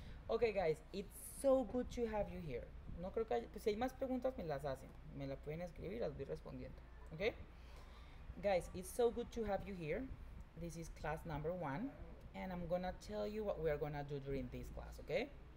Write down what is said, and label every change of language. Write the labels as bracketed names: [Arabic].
[English] Okay, guys, it's so good to have you here. [Spanish] No creo que haya, pues, si hay más preguntas, me las hacen. Me la pueden escribir, las voy respondiendo. Okay? [English] Guys, it's so good to have you here. This is class number one. And I'm gonna tell you what we are gonna do during this class, okay?